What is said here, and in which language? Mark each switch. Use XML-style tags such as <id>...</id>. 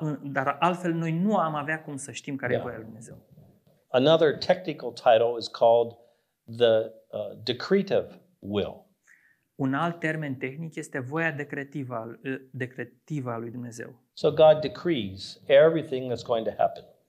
<ro>Dar altfel noi nu am avea cum să știm care e voia lui Dumnezeu.</ro> <en>Another technical title is called the decretive will.</en> <ro>Un alt termen tehnic este voia decretivă a lui Dumnezeu.</ro> <en>So God decrees everything that's going to happen.</en>